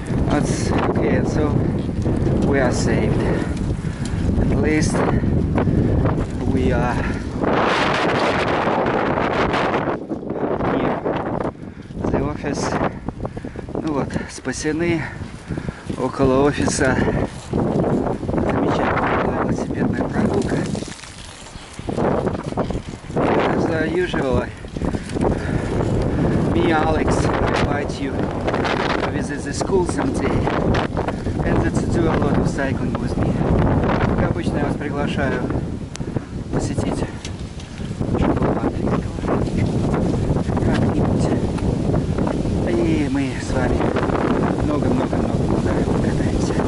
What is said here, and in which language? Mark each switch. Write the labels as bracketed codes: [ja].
[en] Okay, so we are saved. At least we are near the office. [ru] Ну вот, спасены. Около офиса замечательная велосипедная прогулка. [en] As usual, me, Alex, invite you to visit the school someday and to do a lot of cycling with me. [ru] Как обычно, я вас приглашаю посетить школу. Как-нибудь. И мы с вами много-много-много покатаемся.